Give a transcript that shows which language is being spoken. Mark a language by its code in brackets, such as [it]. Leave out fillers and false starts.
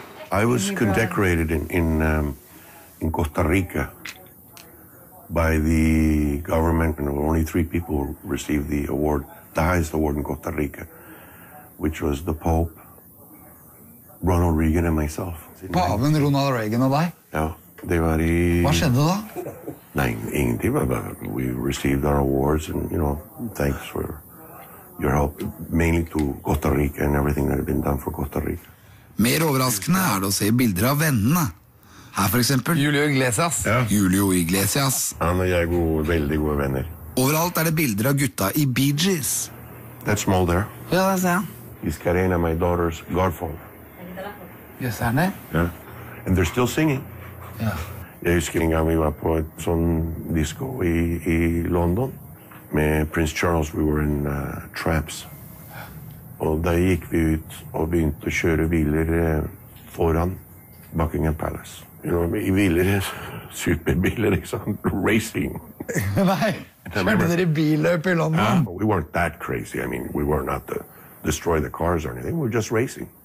[en] I was condecorated in Costa Rica by the government, and only three people received the award, the highest award in Costa Rica, which was the Pope, Ronald Reagan, and myself. [no] Paven, Ronald Reagan, and I? Yeah. Det var i... Hva skjedde da? Nei, ingenting, [en] but we received our awards and, you know, thanks for your help, mainly to Costa Rica and everything that had been done for Costa Rica. [no] Mer overraskende er det å se bilder av vennene. Her for eksempel... Julio Iglesias. Ja. Julio Iglesias. Han og jeg er gode, veldig gode venner. Overalt er det bilder av gutta i Bee Gees. [en] That's Mulder. [no] Ja, det ser han. [en] He's Karina, my daughter's godfather. [no] Yes, han er. [en] Ja. And they're still singing. [no] Ja. Jeg husker en gang vi var på et sånn disco i London med Prince Charles. [en] We were in Traps. [no] Og da gikk vi ut og begynte å kjøre biler foran Buckingham Palace. [en] You know, [no] i biler, superbiler, ikke sant? Racing. Nei, kjørte dere billøp i London? [en] Ja. We weren't that crazy. I mean, we were not to destroy the cars or anything. We were just racing.